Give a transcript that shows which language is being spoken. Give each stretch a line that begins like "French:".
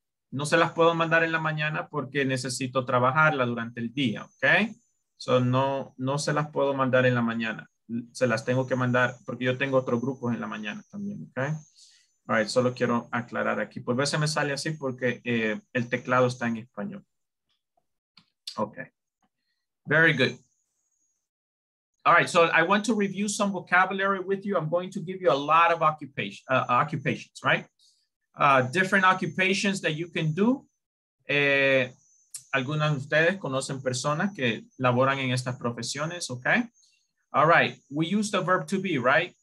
Spanish: No se las puedo mandar en la mañana porque necesito trabajarla durante el día, ¿okay? So no se las puedo mandar en la mañana. Se las tengo que mandar porque yo tengo otro grupo en la mañana también, ¿okay?
English: All right,
Spanish: solo quiero aclarar aquí. Por veces me sale así porque el teclado está en español.
English: Okay. Very good. All right, so I want to review some vocabulary with you. I'm going to give you a lot of occupations, right? Different occupations that you can do.
Spanish: Algunas de ustedes conocen personas que laboran en estas profesiones, okay?
English: All right, we use the verb to be, right?